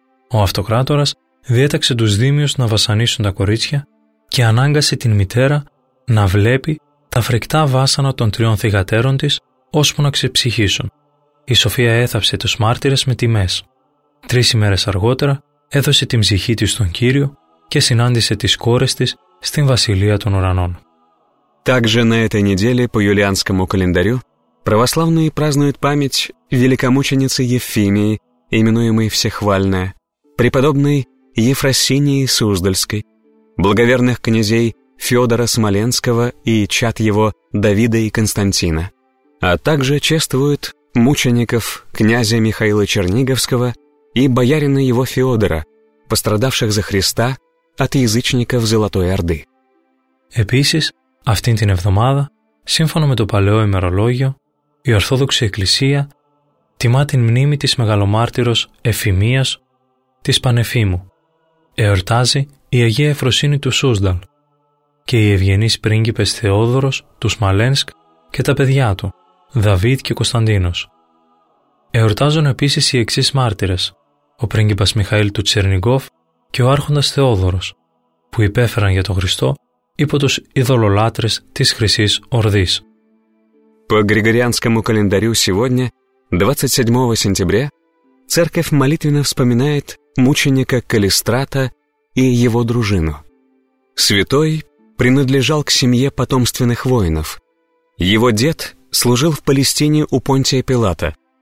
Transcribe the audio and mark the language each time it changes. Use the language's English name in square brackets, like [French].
[Greek] Ο αυτοκράτορας διέταξε τους δήμιους να βασανίσουν τα κορίτσια και ανάγκασε την μητέρα να βλέπει τα φρικτά βάσανα των τριών θυγατέρων της ώσπου να ξεψυχήσουν. Η Σοφία έθαψε τους μάρτυρες με τιμές. Τρεις ημέρες αργότερα έδωσε την ψυχή της στον Κύριο και συνάντησε τις κόρες της στην Βασιλεία των Ουρανών. [Russian] Также на этой неделе по юлианскому календарю православные празднуют память великомученицы Ефимии, именуемой Всехвальная, преподобной Ефросинии Суздальской, благоверных князей Федора Смоленского и чад его Давида и Константина, а также чествуют мучеников князя Михаила Черниговского и боярина его Феодора, пострадавших за Христа от язычников Золотой Орды. [Greek] Επίσης, αυτήν την εβδομάδα Σύμφωνα με το παλαιό ημερολόγιο, η Ορθόδοξη Εκκλησία τιμά την μνήμη της μεγαλομάρτυρος Εφημίας της Πανεφήμου. Εορτάζει η Αγία Εφροσύνη του Σούσδαλ και οι ευγενείς πρίγκιπες Θεόδωρος του Σμαλένσκ και τα παιδιά του, Δαβίδ και Κωνσταντίνος. Εορτάζουν επίσης οι εξής μάρτυρες, ο πρίγκιπας Μιχαήλ του Τσερνιγκόφ και ο άρχοντας Θεόδωρος, που υπέφεραν για τον Χριστό υπό τους ειδωλολάτρες της Χρυσής Ορδής. [Russian] По Григорианскому календарю сегодня, 27 сентября, церковь молитвенно вспоминает мученика Калистрата и его дружину. Святой принадлежал к семье потомственных воинов. Его дед служил в Палестине у Понтия Пилата.